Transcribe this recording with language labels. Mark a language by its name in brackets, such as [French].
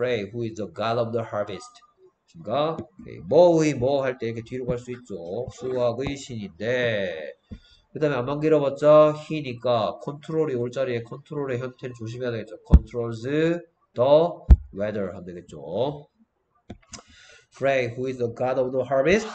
[English] Frey, who is the god of the harvest. [Korean] 그니까, 뭐의 뭐할때 이렇게 뒤로 갈수 있죠. 수학의 신인데. 그 다음에 안만 길어봤자, he니까, 컨트롤이 올 자리에 컨트롤의 형태를 조심해야 되겠죠. [English] controls the weather [Korean] 하면 되겠죠. [English] Frey, who is the god of the harvest?